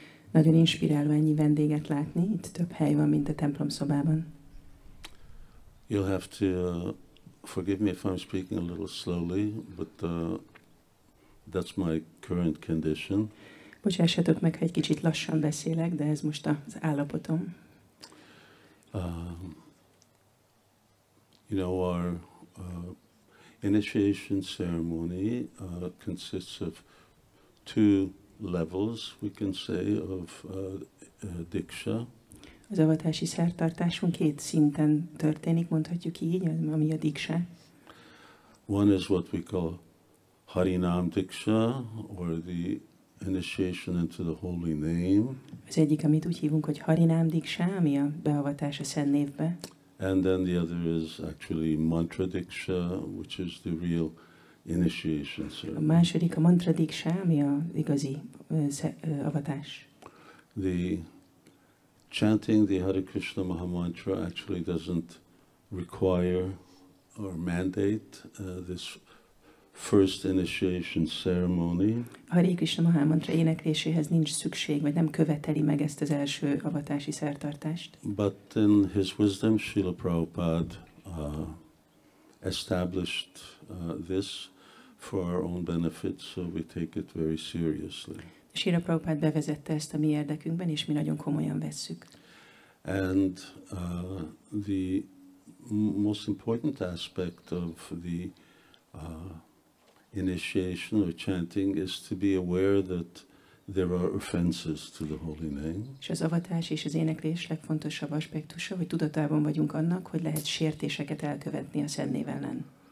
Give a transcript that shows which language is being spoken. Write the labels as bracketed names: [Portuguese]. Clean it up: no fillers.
[Hungarian] Nagyon inspiráló ennyi vendéget látni. Itt több hely van, mint a templom szobában. [English] You'll have to forgive me if I'm speaking a little slowly, but that's my current condition. [Hungarian] Bocsássatok meg, ha egy kicsit lassan beszélek, de ez most az állapotom. [English] You know, our initiation ceremony consists of two levels, we can say, of diksha. [Hungarian] Az avatási szertartásunk két szinten történik, mondhatjuk így, ami a diksha. [English] One is what we call harinam diksha, or the initiation into the holy name. [Hungarian] Az egyik, amit úgy hívunk, hogy harinam diksha, ami a beavatás a szent névbe. [English] And then the other is actually mantra diksha, which is the real initiation ceremony. [Hungarian] A második a mantra diksha, ami a igazi avatás. [English] The chanting the Hare Krishna Maha Mantra actually doesn't require or mandate this first initiation ceremony. [Hungarian] Hare Krishna Mahamantra énekléséhez nincs szükség, vagy nem követeli meg ezt az első avatási szertartást. [English] But in his wisdom, Srila Prabhupada established this for our own benefit, so we take it very seriously. [Hungarian] Srila Prabhupada bevezette ezt a mi érdekünkben, és mi nagyon komolyan vesszük. [English] And the most important aspect of the initiation or chanting is to be aware that there are offences to the holy name. [Hungarian] És az avatás és az éneklés legfontosabb aspektusa, hogy tudatában vagyunk annak, hogy lehet sértéseket elkövetni a szent név ellen.